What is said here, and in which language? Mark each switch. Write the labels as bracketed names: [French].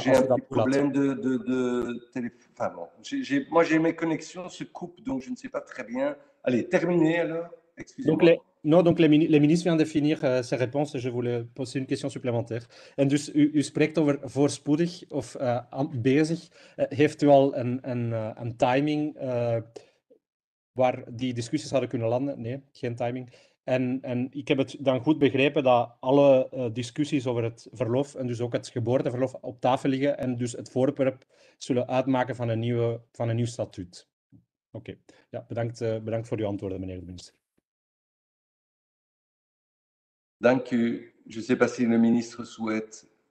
[French] J'ai un probleem de téléphone. Enfin, bon. J'ai mes connexions se coupent, donc je ne sais pas très bien. Allez, terminé alors. Excusez-moi. Donc, les, Non, donc le ministre vient de finir ses réponses et je voulais poser une question supplémentaire. [Dutch] En dus, u spreekt over voorspoedig of bezig. Heeft u al een timing waar die discussies zouden kunnen landen? Nee, geen timing. En ik heb het dan goed begrepen dat alle discussies over het verlof en dus ook het geboorteverlof op tafel liggen en dus het voorwerp zullen uitmaken van een nieuw statuut. Oké, ja, bedankt voor uw antwoorden, meneer de minister. Dank u. [French] Je ne sais pas si le ministre souhaite.